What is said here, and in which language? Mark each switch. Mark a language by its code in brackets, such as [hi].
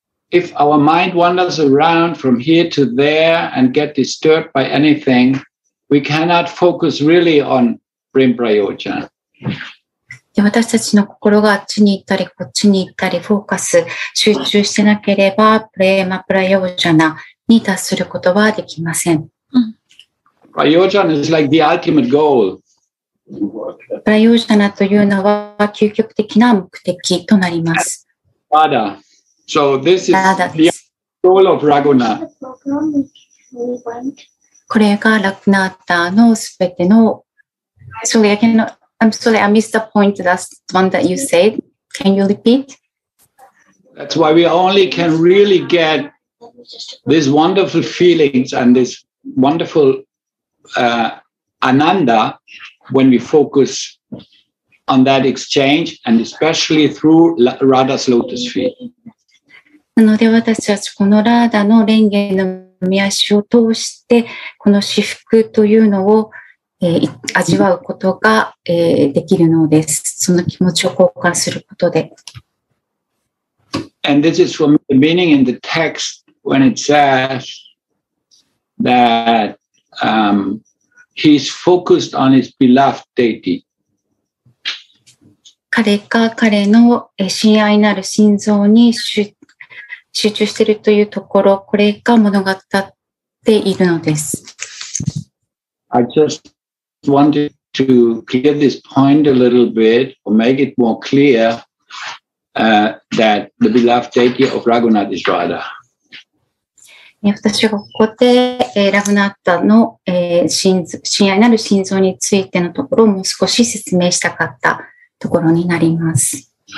[en] If our mind wanders around from here to there and get disturbed by anything, we cannot focus really on Prem Prayojana. [ja] 私たちの心があっちに行ったり、こっちに行ったり、フォーカス、集中してなければ、プレマプラヨージャナ、に達することはできません。 [en] Prayojana is like the ultimate goal. [ja] Prayojana というのは究極的な目的となります。 [en] Radha. So this is the goal of Raghunatha. [ja] これがラグナータのすべての。 [en] Sorry, I cannot. I'm sorry, I missed the point. That's the one that you said. Can you repeat? That's why we only can really get. These wonderful feelings and this wonderful ananda when we focus on that exchange and especially through Radha's lotus feet. [ja] なので私はこのラーダの蓮華の御足を通してこの至福というのを味わうことができるのです。その気持ちを交換することで。 [en] And this is from the meaning in the text. When it says that he's focused on his beloved deity. [ja] 彼が彼の親愛なる心臓に集中しているというところ、これが物語っているのです。 [en] I just wanted to clear this point a little bit or make it more clear that the beloved deity of Raghunatha is Radha. [ja] 私がここで、ラグナッタの、親愛なる心臓についてのところをもう少し説明したかったところになります。